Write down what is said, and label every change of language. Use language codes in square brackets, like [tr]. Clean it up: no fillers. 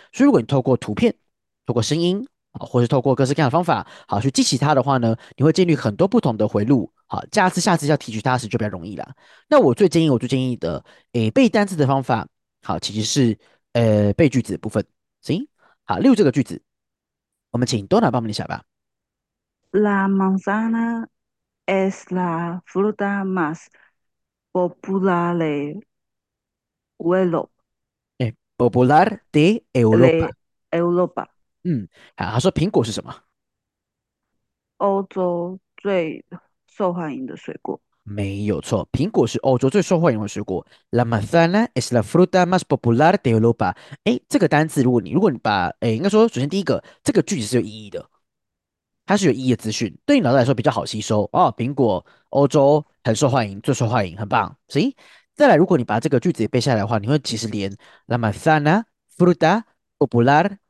[zh] 所以如果你透过图片，透过声音啊，或是透过各式各样的方法，好去记起它的话呢，你会建立很多不同的回路。好，下次要提取它时就比较容易了。那我最建议的，背单词的方法，好，其实是背句子的部分。行，好，例如这个句子，我们请 Donna 帮我们一下吧。 [es] La manzana es la fruta más popular Popular de Europa。 de Europa. [zh] 好，他说苹果是什么？欧洲最受欢迎的水果。没有错，苹果是欧洲最受欢迎的水果。 [es] La manzana es la fruta más popular de Europa。 [zh] 哎，这个单词，如果你把，哎，应该说，首先第一个，这个句子是有意义的，它是有意义的资讯，对你脑袋来说比较好吸收。哦，苹果，欧洲很受欢迎，最受欢迎，很棒。行，再来，如果你把这个句子也背下来的话，你会其实连 [es] La manzana fruta popular。